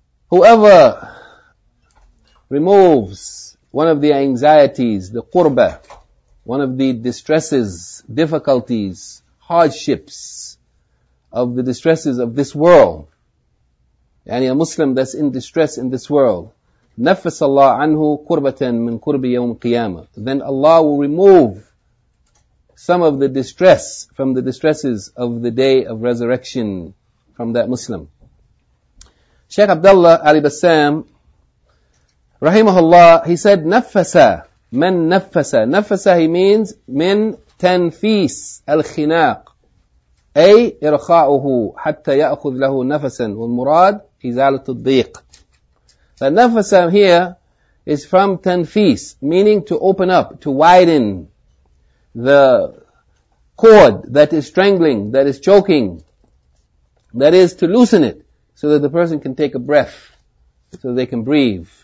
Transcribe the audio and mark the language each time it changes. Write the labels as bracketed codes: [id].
[en] Whoever removes one of the anxieties, the qurba, one of the distresses, difficulties, hardships of the distresses of this world, yani a Muslim that's in distress in this world, [ar] نَفَّسَ اللَّهُ عَنْهُ قُرْبَةً مِنْ قُرْبِ يَوْمِ قِيَامَةً, [en] then Allah will remove some of the distress from the distresses of the day of resurrection from that Muslim. Shaykh Abdullah Ali Bassam, rahimahullah, he said, [ar] نَفَّسَ مَن نَفَّسَ. نَفَّسَ, [en] he means, [ar] مِن تَنْفِيس الْخِنَاق. أي إرخاؤه حتى يأخذ له نفسا. والمراد إزالة الضيق. [en] But نَفَّسَ here is from تَنْفِيس, meaning to open up, to widen the cord that is strangling, that is choking, that is to loosen it so that the person can take a breath, so they can breathe.